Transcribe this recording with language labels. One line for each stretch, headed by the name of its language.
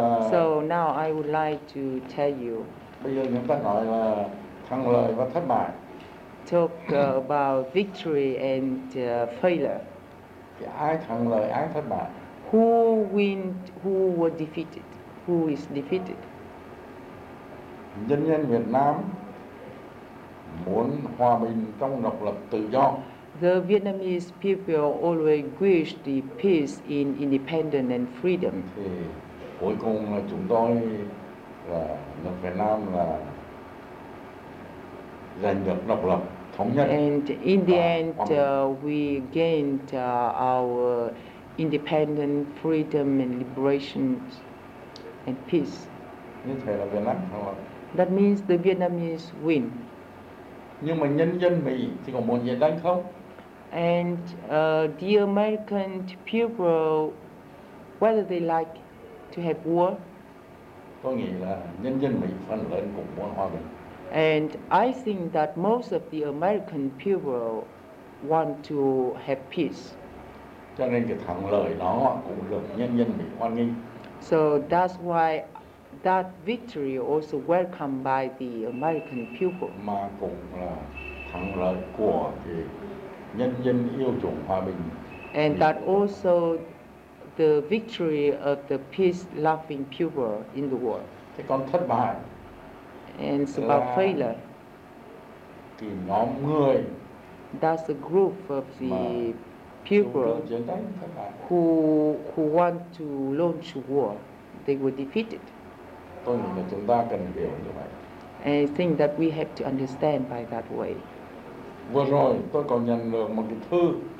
English: So now I would like to tell you.
Vietnamese: Bây giờ chúng ta nói là thắng lợi và thất bại.
English: Talk about victory and failure.
Vietnamese: Thì ai thắng lợi, ai thất bại?
English: Who win? Who were defeated? Who is defeated?
Vietnamese: Nhân dân Việt Nam muốn hòa bình trong độc lập tự do.
English: The Vietnamese people always wish the peace in independence and freedom.
Vietnamese: Thì cuối cùng là chúng tôi là nước Việt Nam là giành được độc lập thống nhất.
English: And in the end, we gained our independence, freedom, and liberation. And peace.
Vietnamese: Như thế là Việt Nam thắng lợi.
English: That means the Vietnamese win.
Vietnamese: Nhưng mà nhân dân Mỹ thì còn muốn giành không?
English: And the American people, whether they like to have war?
Vietnamese: Tôi nghĩ là nhân dân Mỹ phần lớn cũng muốn hòa bình.
English: And I think that most of the American people want to have peace.
Vietnamese: Cho nên cái thắng lợi đó cũng được nhân dân Mỹ hoan nghênh.
English: So that's why that victory also welcomed by the American people.
Vietnamese: Mà cũng là thắng lợi của cái nhân dân yêu chuộng hòa bình.
English: And that also the victory of the peace-loving people in the world.
Vietnamese: Thế còn thất bại.
English: And it's about failure.
Vietnamese: Thì nhóm người.
English: That's a group of the people who want to launch war, they were defeated.
Vietnamese: Tôi nghĩ là chúng ta cần hiểu như vậy.
English: And I think that we have to understand by that way.
Vietnamese: Vừa rồi tôi còn nhận được một cái thư.